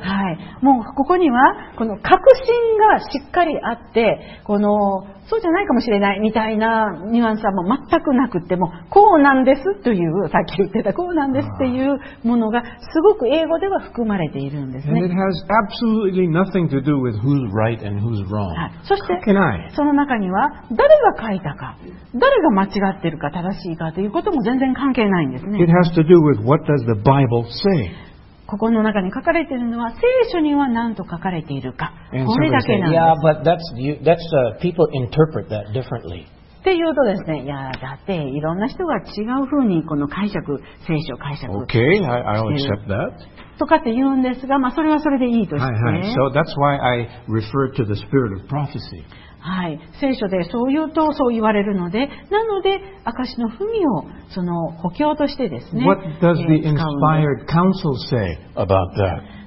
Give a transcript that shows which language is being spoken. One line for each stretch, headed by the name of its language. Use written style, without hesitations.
Japanese: はい、もうここにはこの確信がしっかりあって、このそうじゃないかもしれないみたいなニュアンスはもう全くなくて、もうこうなんですという、さっき言ってたこうなんですっていうものがすごく英語では含まれているんですね。
English: And it has absolutely nothing to do with who's right and who's wrong.
Japanese: はい、そしてその中には誰が書いたか、誰が間違ってるか正しいかということも全然関係ないんですね。
English: It has to do with what does the Bible say?
Japanese: ここの中に書かれているのは聖書には何と書かれているか、これだけなんです。
English: Yeah, but that's people interpret that differently.
Japanese: っていうとですね、いやだっていろんな人が違う風にこの解釈、聖書解釈。
English: Okay, I'll accept that.
Japanese: とかって言うんですが、まあそれはそれでいいとして。はいはい。
English: So that's why I refer to the spirit of prophecy.
Japanese: はい、聖書でそう言うとそう言われるので、なので証の文をその補強としてですね。
English: What does the inspired counsel say about that?